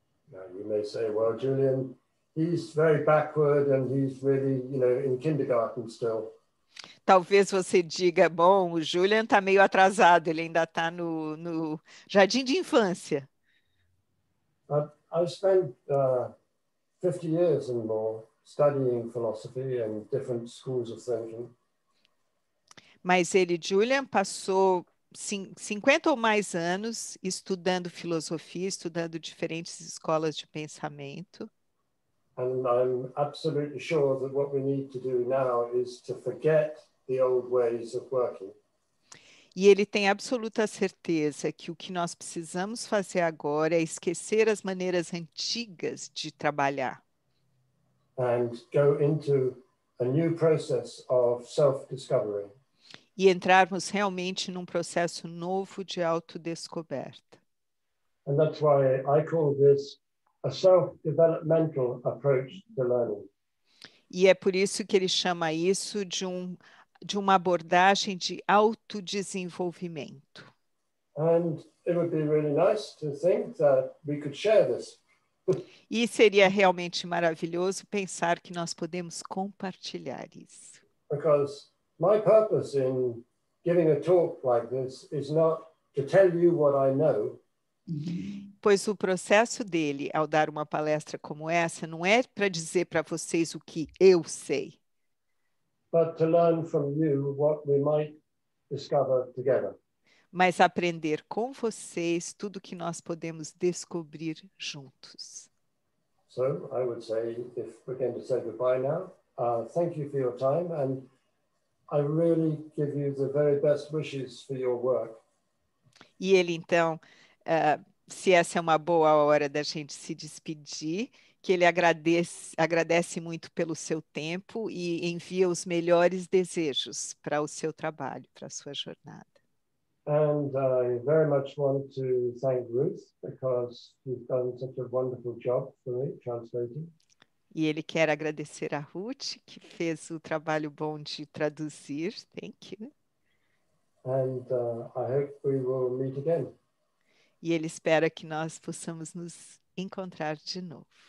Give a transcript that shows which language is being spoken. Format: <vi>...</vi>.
<en>Now you may say, well, Julian, he's very backward and he's really, you know, in kindergarten still.</en> <pt>Talvez você diga, bom, o Julian está meio atrasado, ele ainda está no jardim de infância.</pt> <en>I've spent 50 years and more studying philosophy and different schools of thinking.</en> <pt>Mas ele, Julian, passou 50 ou mais anos estudando filosofia, estudando diferentes escolas de pensamento.</pt> <en>And I'm absolutely sure that what we need to do now is to forget the old ways of working.</en> <pt>E ele tem absoluta certeza que o que nós precisamos fazer agora é esquecer as maneiras antigas de trabalhar.</pt> <en>And go into a new process of self-discovery.</en> <pt>E entrarmos realmente num processo novo de autodescoberta.</pt> <en>And that's why I call this a self-developmental approach to learning.</en> <pt>E é por isso que ele chama isso de uma abordagem de autodesenvolvimento.</pt> <en>And it would be really nice to think that we could share this.</en> <pt>E seria realmente maravilhoso pensar que nós podemos compartilhar isso.</pt> <en>Because my purpose in giving a talk like this is not to tell you what I know.</en> <pt>Pois o processo dele ao dar uma palestra como essa não é para dizer para vocês o que eu sei.</pt> <en>But to learn from you what we might discover together.</en> <pt>Mas aprender com vocês tudo que nós podemos descobrir juntos.</pt> <en>So I would say, if we're going to say goodbye now, thank you for your time and I really give you the very best wishes for your work.</en> <pt>E ele então, se essa é uma boa hora da gente se despedir, que ele agradece muito pelo seu tempo e envia os melhores desejos para o seu trabalho, para a sua jornada.</pt> <en>And I very much want to thank Ruth because she's done such a wonderful job for me translating.</en> <pt>E ele quer agradecer a Ruth, que fez o trabalho bom de traduzir.</pt> <en>Thank you. And I hope we will meet again.</en> <pt>E ele espera que nós possamos nos encontrar de novo.</pt>